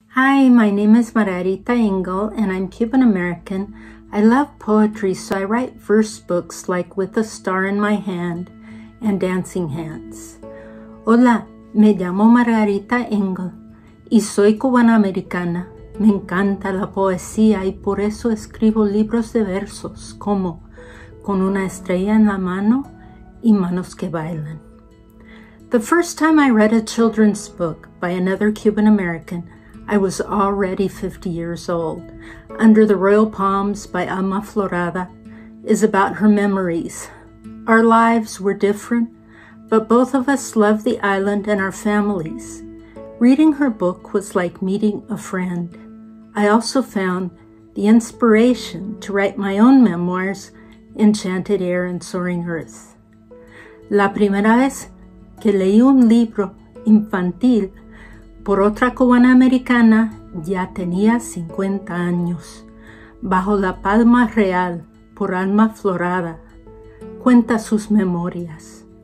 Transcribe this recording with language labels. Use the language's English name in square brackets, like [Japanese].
[English] Hi, my name is Margarita Engle, and I'm Cuban American. I love poetry, so I write verse books like With a Star in My Hand and Dancing Hands. [Spanish] Hola, me llamo Margarita Engle, y soy cubanoamericana. Me encanta la poesía, y por eso escribo libros de versos, como Con una estrella en la mano y manos que bailan. [English] The first time I read a children's book by another Cuban American, I was already 50 years old. Under the Royal Palms by Alma Flor Ada is about her memories. Our lives were different, but both of us loved the island and our families. Reading her book was like meeting a friend. I also found the inspiration to write my own memoirs, Enchanted Air and Soaring Earth. [Spanish] La primera vez que leí un libro infantil por otra cubana americana, ya tenía 50 años. Bajo la palma real, por Alma Flor Ada, cuenta sus memorias.